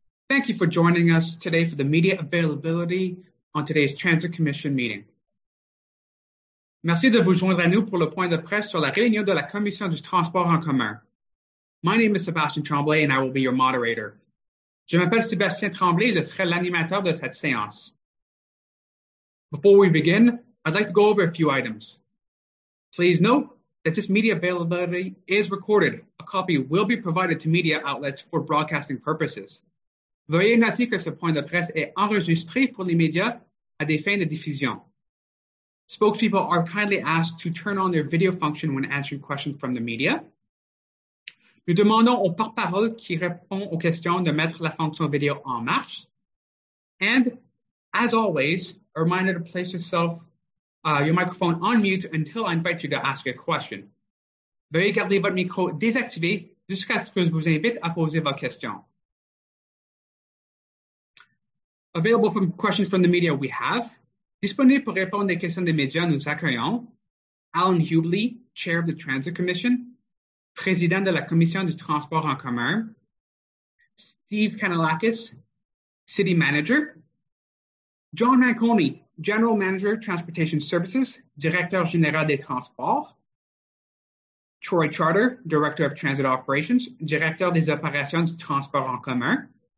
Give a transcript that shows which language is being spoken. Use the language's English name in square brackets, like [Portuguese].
[English] Thank you for joining us today for the media availability on today's Transit Commission meeting. [French] Merci de vous joindre à nous pour le point de presse sur la réunion de la Commission du transport en commun. [English] My name is Sébastien Tremblay and I will be your moderator. [French] Je m'appelle Sébastien Tremblay et je serai l'animateur de cette séance. [English] Before we begin, I'd like to go over a few items. Please note that this media availability is recorded. A copy will be provided to media outlets for broadcasting purposes. [French] Veuillez noter que ce point de presse est enregistré pour les médias à des fins de diffusion. [English] Spokespeople are kindly asked to turn on their video function when answering questions from the media. [French] Nous demandons aux porte-parole qui répond aux questions de mettre la fonction vidéo en marche. [English] And, as always, a reminder to place yourself your microphone on mute until I invite you to ask a question. [French] Veuillez garder votre micro désactivé jusqu'à ce que je vous invite à poser votre question. [English] Available from questions from the media, we have. [French] Disponible pour répondre aux questions des médias, nous accueillons Alan Hubley, [English] Chair of the Transit Commission, [French] Président de la Commission du Transport en commun, Steve Kanalakis, [English] City Manager, [French] John Manconi, [English] General Manager, Transportation Services, [French] Directeur Général des Transports, Troy Charter, [English] Director of Transit Operations, [French] Directeur des Opérations du Transport en commun,